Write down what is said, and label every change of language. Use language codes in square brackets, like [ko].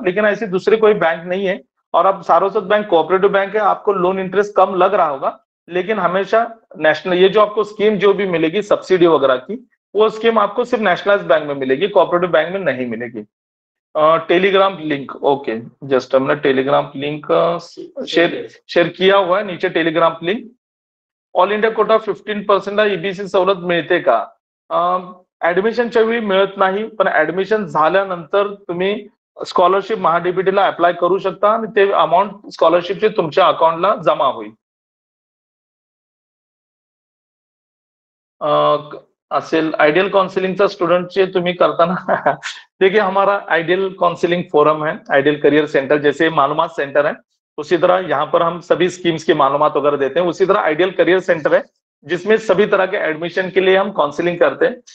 [hi] लेकिन ऐसे दूसरे कोई बैंक नहीं है और आप सारस्वत बैंक कोऑपरेटिव बैंक है, आपको लोन इंटरेस्ट कम लग रहा होगा, लेकिन हमेशा नेशनल ये जो आपको स्कीम जो भी मिलेगी सब्सिडी वगैरह की, वो स्कीम आपको सिर्फ नेशनलाइज बैंक में मिलेगी, कोऑपरेटिव बैंक में नहीं मिलेगी। टेलीग्राम लिंक, ओके जस्ट हमने टेलीग्राम लिंक शेयर किया हुआ है नीचे Telegram link. [mr] All India quota 15% EBC सवलत मिळते का? एडमिशन चवी मिळत नाही, पण एडमिशन झाल्यानंतर तुम्ही स्कॉलरशिप महाडीबीटीला अप्लाय करू शकता आणि ते अमाऊंट स्कॉलरशिपचे तुमच्या अकाउंटला जमा होईल। असेल आयडियल काउन्सिलिंगचा स्टुडंटचे तुम्ही करताना [hi] देखिए हमारा आइडियल काउंसिलिंग फोरम है, आइडियल करियर सेंटर जैसे मालूमात सेंटर है उसी तरह यहाँ पर हम सभी स्कीम्स की मालूमात वगैरह देते हैं, उसी तरह आइडियल करियर सेंटर है जिसमें सभी तरह के एडमिशन के लिए हम काउंसिलिंग करते हैं।